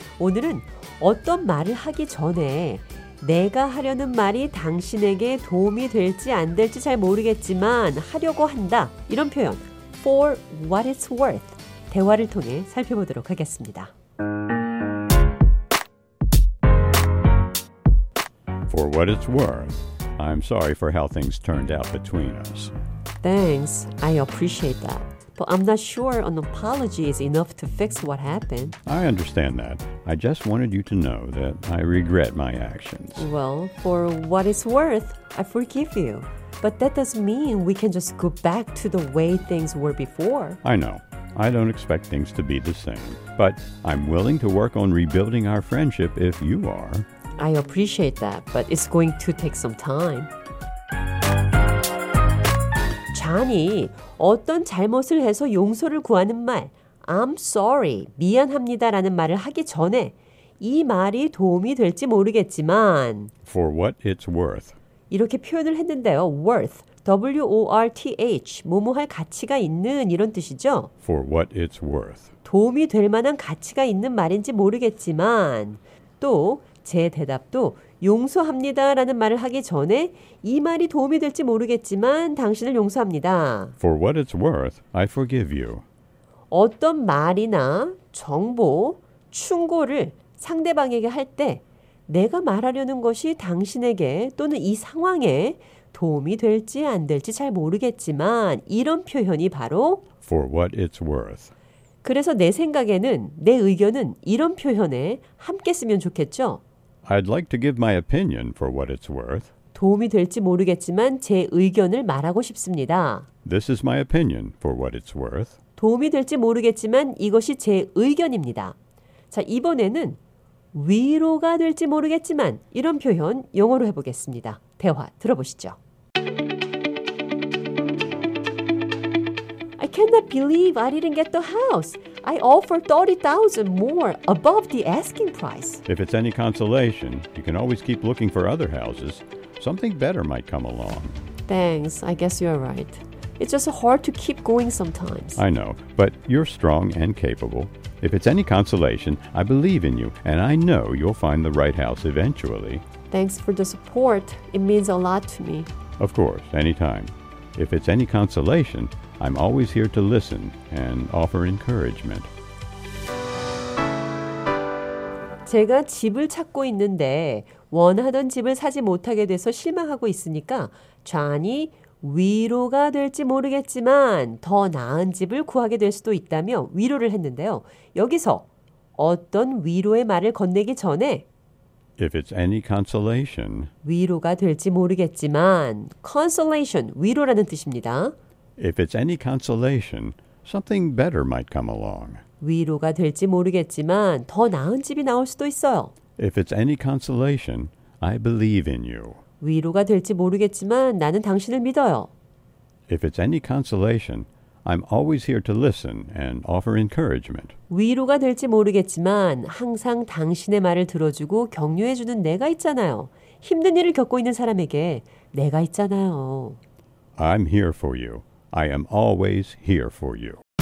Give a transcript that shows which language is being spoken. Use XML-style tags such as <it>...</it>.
<ko>오늘은 어떤 말을 하기 전에 내가 하려는 말이 당신에게 도움이 될지 안 될지 잘 모르겠지만 하려고 한다. 이런 표현,</ko> <en>for what it's worth,</en> <ko>대화를 통해 살펴보도록 하겠습니다.</ko> <en>For what it's worth, I'm sorry for how things turned out between us. Thanks, I appreciate that. But I'm not sure an apology is enough to fix what happened. I understand that. I just wanted you to know that I regret my actions. Well, for what it's worth, I forgive you. But that doesn't mean we can just go back to the way things were before. I know. I don't expect things to be the same. But I'm willing to work on rebuilding our friendship if you are. I appreciate that, but it's going to take some time.</en> <ko>아니, 어떤 잘못을 해서 용서를 구하는 말,</ko> <en>I'm sorry,</en> <ko>미안합니다라는 말을 하기 전에 이 말이 도움이 될지 모르겠지만</ko> <en>For what it's worth</en> <ko>이렇게 표현을 했는데요. worth, W-O-R-T-H, 뭐뭐할 가치가 있는 이런 뜻이죠.</ko> <en>For what it's worth</en> <ko>도움이 될 만한 가치가 있는 말인지 모르겠지만 또 제 대답도 용서합니다라는 말을 하기 전에 이 말이 도움이 될지 모르겠지만 당신을 용서합니다.</ko> <en>For what it's worth, I forgive you.</en> <ko>어떤 말이나 정보, 충고를 상대방에게 할 때 내가 말하려는 것이 당신에게 또는 이 상황에 도움이 될지 안 될지 잘 모르겠지만 이런 표현이 바로</ko> <en>For what it's worth.</en> <ko>그래서 내 생각에는 내 의견은 이런 표현에 함께 쓰면 좋겠죠.</ko> <en>I'd like to give my opinion for what it's worth.</en> <ko>도움이 될지 모르겠지만 제 의견을 말하고 싶습니다.</ko> <en>This is my opinion for what it's worth.</en> <ko>도움이 될지 모르겠지만 이것이 제 의견입니다. 자, 이번에는 위로가 될지 모르겠지만 이런 표현 영어로 해보겠습니다. 대화 들어보시죠.</ko> <en>I cannot believe I didn't get the house. I offered $30,000 more above the asking price. If it's any consolation, you can always keep looking for other houses. Something better might come along. Thanks. I guess you're right. It's just hard to keep going sometimes. I know, but you're strong and capable. If it's any consolation, I believe in you, and I know you'll find the right house eventually. Thanks for the support. It means a lot to me. Of course, anytime. If it's any consolation, I'm always here to listen and offer encouragement.</en> <ko>제가 집을 찾고 있는데 원하던 집을 사지 못하게 돼서 실망하고 있으니까 존이 위로가 될지 모르겠지만 더 나은 집을 구하게 될 수도 있다며 위로를 했는데요. 여기서 어떤 위로의 말을 건네기 전에</ko> <en>If it's any consolation</en> <ko>위로가 될지 모르겠지만 consolation 위로라는 뜻입니다.</ko> <en>If it's any consolation, something better might come along.</en> <ko>위로가 될지 모르겠지만 더 나은 집이 나올 수도 있어요.</ko> <en>If it's any consolation, I believe in you.</en> <ko>위로가 될지 모르겠지만 나는 당신을 믿어요.</ko> <en>If it's any consolation, I'm always here to listen and offer encouragement.</en> <ko>위로가 될지 모르겠지만 항상 당신의 말을 들어주고 격려해주는 내가 있잖아요. 힘든 일을 겪고 있는 사람에게 내가 있잖아요.</ko> <en>I'm here for you. I am always here for you.</en>